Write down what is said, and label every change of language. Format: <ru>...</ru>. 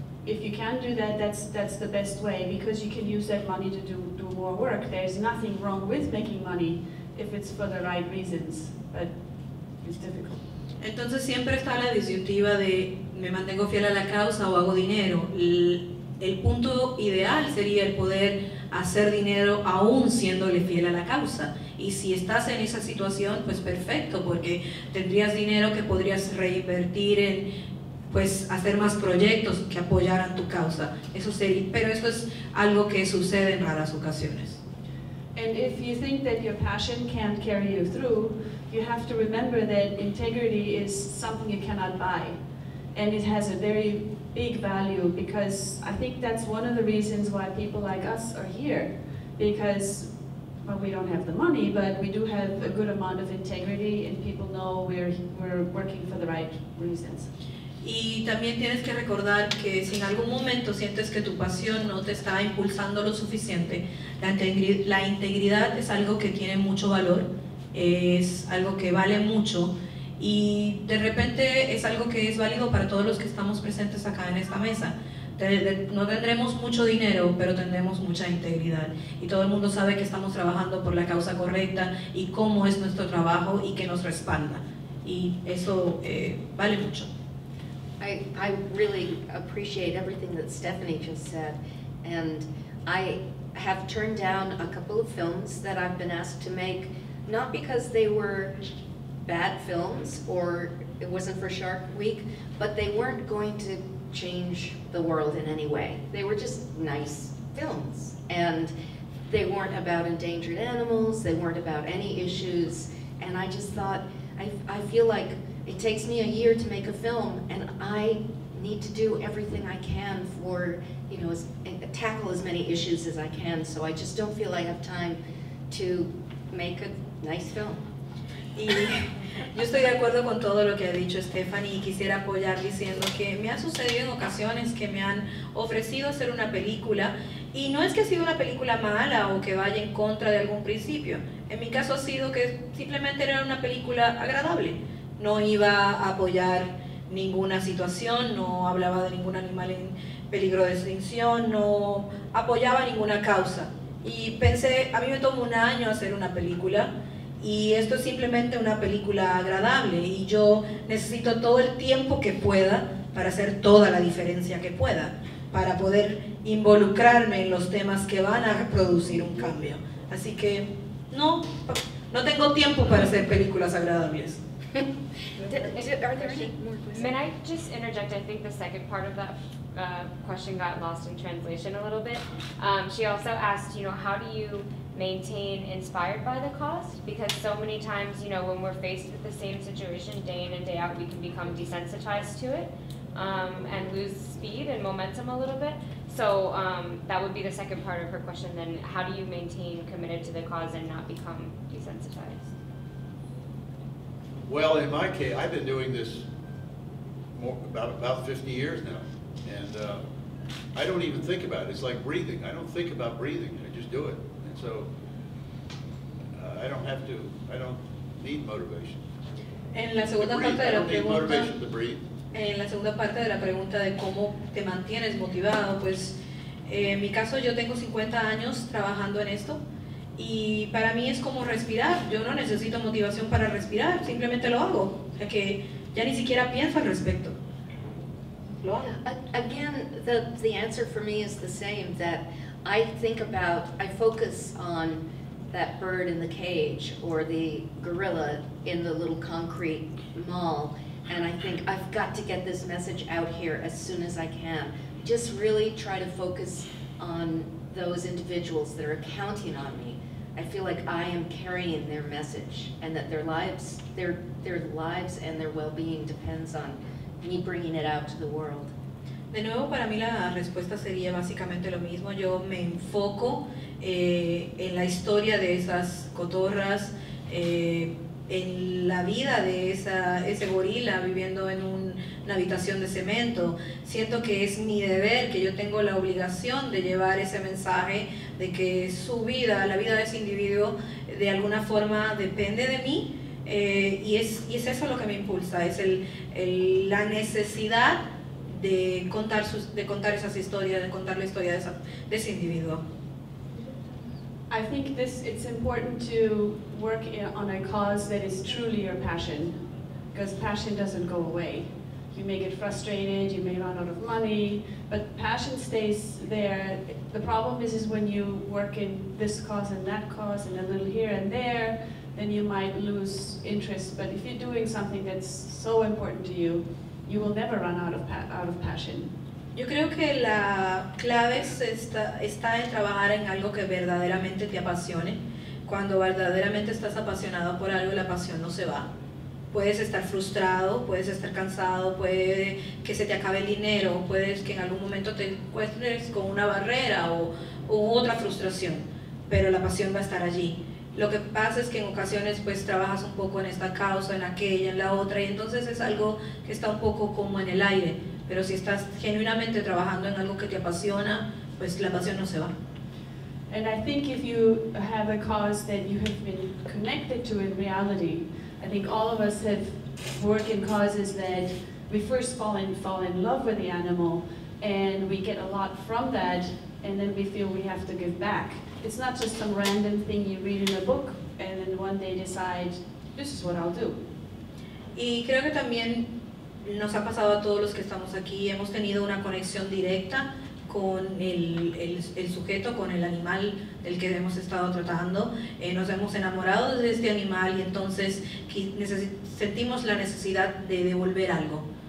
<en>If you can do that, that's the best way, because you can use that money to do more work. There's nothing wrong with making money if it's for the right reasons, but it's difficult.</en> <es>Entonces siempre está la disyuntiva de me mantengo fiel a la causa o hago dinero. El punto ideal sería el poder hacer dinero aún siéndole fiel a la causa. Y si estás en esa situación, pues perfecto, porque tendrías dinero que podrías reinvertir en pues hacer más proyectos que apoyaran tu causa. Eso sería, pero eso es algo que sucede en raras ocasiones.</es> <en>And if you think that your passion can't carry you through, you have to remember that integrity is something you cannot buy. And it has a very big value, because I think that's one of the reasons why people like us are here. Because, well, we don't have the money, but we do have a good amount of integrity, and people know we're working for the right reasons.</en> <es>Y también tienes que recordar que si en algún momento sientes que tu pasión no te está impulsando lo suficiente, la integridad es algo que tiene mucho valor, es algo que vale mucho, y de repente es algo que es válido para todos los que estamos presentes acá en esta mesa. No tendremos mucho dinero, pero tendremos mucha integridad, y todo el mundo sabe que estamos trabajando por la causa correcta y cómo es nuestro trabajo y que nos respalda, y eso vale mucho.</es> <en>I really appreciate everything that Stephanie just said, and I have turned down a couple of films that I've been asked to make, not because they were bad films or it wasn't for Shark Week, but they weren't going to change the world in any way. They were just nice films, and they weren't about endangered animals, they weren't about any issues, and I just thought, I feel like it takes me a year to make a film, and I need to do everything I can for, you know, tackle as many issues as I can, so I just don't feel I have time to make a nice film.</en> <es>Y yo estoy de acuerdo con todo lo que ha dicho Stephanie, y quisiera apoyar diciendo que me ha sucedido en ocasiones que me han ofrecido hacer una película, y no es que ha sido una película mala o que vaya en contra de algún principio. En mi caso ha sido que simplemente era una película agradable. No iba a apoyar ninguna situación, no hablaba de ningún animal en peligro de extinción, no apoyaba ninguna causa. Y pensé, a mí me tomó un año hacer una película, y esto es simplemente una película agradable, y yo necesito todo el tiempo que pueda para hacer toda la diferencia que pueda, para poder involucrarme en los temas que van a producir un cambio. Así que no tengo tiempo para hacer películas agradables.</es> <en>May I just interject? I think the second part of that question got lost in translation a little bit. She also asked, you know, how do you maintain inspired by the cause? Because so many times, you know, when we're faced with the same situation day in and day out, we can become desensitized to it and lose speed and momentum a little bit. So that would be the second part of her question then. How do you maintain committed to the cause and not become desensitized? Well, in my case, I've been doing this about 50 years now, and I don't even think about it. It's like breathing. I don't think about breathing. I just do it, and so I don't have to. I don't. need motivation.</en> <es>En la segunda parte de la pregunta, en la segunda parte de la pregunta de cómo te mantienes motivado, pues en mi caso yo tengo 50 años trabajando en esto y para mí es como respirar. Yo no necesito motivación para respirar, simplemente lo hago, o sea que ya ni siquiera pienso al respecto.</es> <en>Again, the answer for me is the same, that I think about, I focus on that bird in the cage or the gorilla in the little concrete mall, and I think I've got to get this message out here as soon as I can. Just really try to focus on those individuals that are counting on me. I feel like I am carrying their message, and that their lives and their well-being depends on me bringing it out to the world.</en> <es>De nuevo, para mí la respuesta sería básicamente lo mismo. Yo me enfoco en la historia de esas cotorras, en la vida de ese gorila viviendo en una habitación de cemento. Siento que es mi deber, que yo tengo la obligación de llevar ese mensaje de que su vida, la vida de ese individuo, de alguna forma depende de mí. Y es eso lo que me impulsa, es la necesidad de contar esas historias, de contar la historia de ese individuo.</es> <en>I think it's important to work on a cause that is truly your passion, because passion doesn't go away. You may get frustrated, you may run out of money, but passion stays there. The problem is when you work in this cause and that cause and a little here and there, then you might lose interest. But if you're doing something that's so important to you, you will never run out of passion.</en> <es>Yo creo que la clave está en trabajar en algo que verdaderamente te apasione. Cuando verdaderamente estás apasionado por algo, la pasión no se va. Puedes estar frustrado, puedes estar cansado, puede que se te acabe el dinero, puedes que en algún momento te encuentres con una barrera o otra frustración, pero la pasión va a estar allí. Lo que pasa es que en ocasiones pues trabajas un poco en esta causa, en aquella, en la otra, y entonces es algo que está un poco como en el aire. Pero si estás genuinamente trabajando en algo que te apasiona, pues la pasión no se va.</es> <en>And I think if you have a cause that you have been connected to in reality, I think all of us have worked in causes that we first fall in love with the animal, and we get a lot from that, and then we feel we have to give back. It's not just some random thing you read in a book and then one day decide, this is what I'll do.</en> <es>Y creo que también nos ha pasado a todos los que estamos aquí, hemos tenido una conexión directa con el sujeto, con el animal del que hemos estado tratando, nos hemos enamorado de este animal y entonces sentimos la necesidad de devolver algo.</es>